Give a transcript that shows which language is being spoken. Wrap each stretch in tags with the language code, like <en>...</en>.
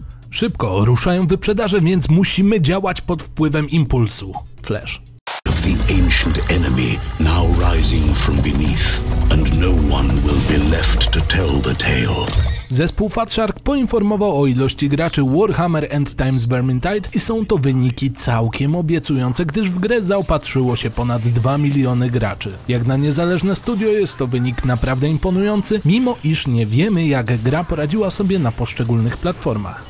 <pl>Szybko ruszają wyprzedaże, więc musimy działać pod wpływem impulsu.</pl> <en>Flash. The ancient enemy now rising from beneath, and no one will be left to tell the tale.</en> <pl>Zespół Fat Shark poinformował o ilości graczy Warhammer End Times Vermintide i są to wyniki całkiem obiecujące, gdyż w grę zaopatrzyło się ponad 2 miliony graczy. Jak na niezależne studio jest to wynik naprawdę imponujący, mimo iż nie wiemy, jak gra poradziła sobie na poszczególnych platformach.</pl>